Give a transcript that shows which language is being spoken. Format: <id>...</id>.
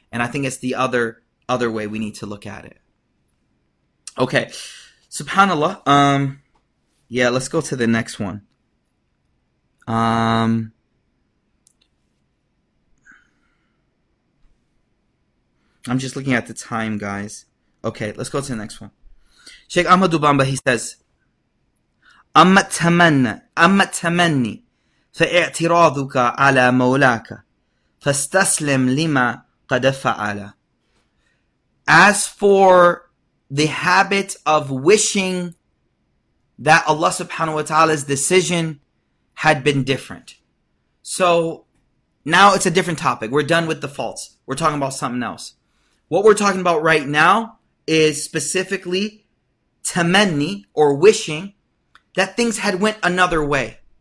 <en>And I think it's the other way we need to look at it. Okay, subhanAllah. Yeah, let's go to the next one. I'm just looking at the time, guys. Okay, let's go to the next one.</en> <ar>Sheikh Ahmad Dubamba,</ar> <en>he says,</en> <ar>أما تمني فاعتراضك على مولاك فاستسلم لما قد فعل.</ar> <en>As for the habit of wishing that Allah subhanahu wa ta'ala's decision had been different. So now it's a different topic. We're done with the faults. We're talking about something else. What we're talking about right now is specifically tamanni, or wishing, that things had went another way.</en>